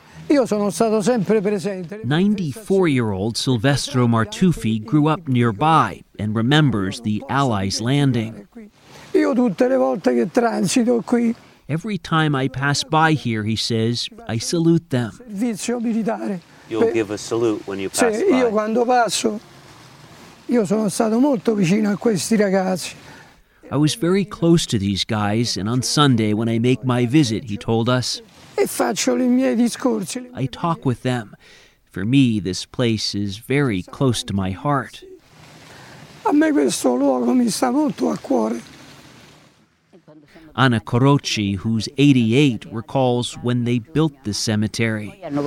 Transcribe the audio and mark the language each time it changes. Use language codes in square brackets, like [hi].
[en] 94-year-old Silvestro Martufi grew up nearby and remembers the Allies landing. "Every time I pass by here," he says, "I salute them." You'll give a salute when you pass by. [it] Io quando passo, Io sono stato molto vicino a questi ragazzi. [en] I was very close to these guys, and on Sunday when I make my visit, he told us, [it] e faccio le mie discorsi. [en] I talk with them. For me, this place is very close to my heart. [it] A me questo luogo mi sta molto a cuore. [en] Anna Corocci, who's 88, recalls when they built this cemetery.